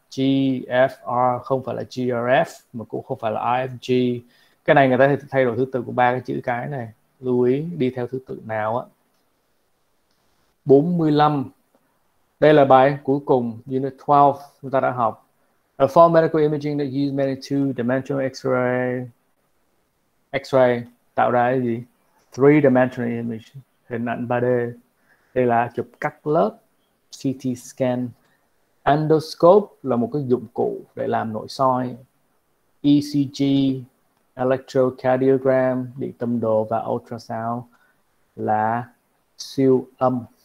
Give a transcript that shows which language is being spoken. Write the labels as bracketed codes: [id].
[vi] GFR không phải là GRF mà cũng không phải là AFG. Cái này người ta thay đổi thứ tự của ba cái chữ cái này. Lưu ý đi theo thứ tự nào á. 45. Đây là bài cuối cùng, Unit 12 chúng ta đã học. [en] Perform medical imaging that use many two dimensional X-ray. [vi] X-ray tạo ra cái gì? [en] Three dimensional image, [vi] hình ảnh 3D. Đây là chụp cắt lớp, CT scan. Endoscope là một cái dụng cụ để làm nội soi. ECG, electrocardiogram, điện tâm đồ và ultrasound là siêu âm.